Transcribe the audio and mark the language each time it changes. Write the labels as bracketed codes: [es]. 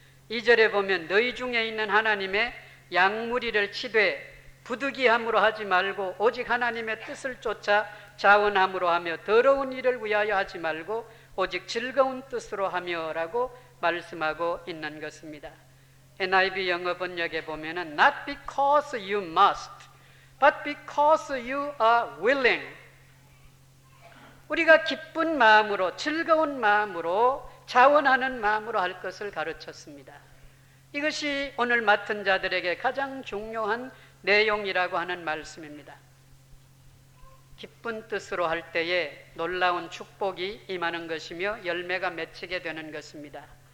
[ko] 2절에 보면 너희 중에 있는 하나님의 양무리를 치되 부득이함으로 하지 말고 오직 하나님의 뜻을 쫓아 자원함으로 하며 더러운 일을 위하여 하지 말고 오직 즐거운 뜻으로 하며라고 말씀하고 있는 것입니다. [en] NIV [ko] 영어 번역에 보면은 [en] Not because you must, but because you are willing. [ko] 우리가 기쁜 마음으로, 즐거운 마음으로, 자원하는 마음으로 할 것을 가르쳤습니다. 이것이 오늘 맡은 자들에게 가장 중요한 내용이라고 하는 말씀입니다. 기쁜 뜻으로 할 때에 놀라운 축복이 임하는 것이며 열매가 맺히게 되는 것입니다.